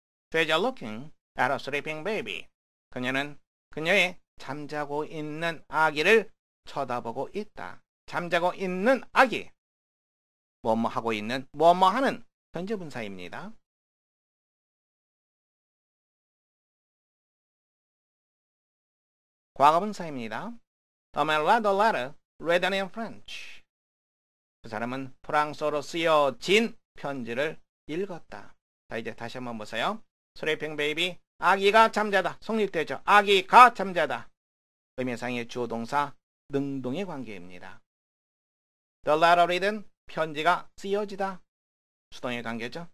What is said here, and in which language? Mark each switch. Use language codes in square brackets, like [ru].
[en] She's looking at a sleeping baby. [ko] 그녀는 그녀의 잠자고 있는 아기를 쳐다보고 있다. 잠자고 있는 아기. 뭐뭐 하고 있는, 뭐뭐 하는 현재분사입니다. 과거분사입니다. [en] The man read the letter written in French. [ko] 그 사람은 프랑스어로 쓰여진 편지를 읽었다. 자, 이제 다시 한번 보세요. [en] Sleeping baby. [ko] 아기가 잠자다. 성립되죠. 아기가 잠자다. 의미상의 주어 동사, 능동의 관계입니다. [en] The letter written. [ko] 편지가 쓰여지다. 수동의 관계죠.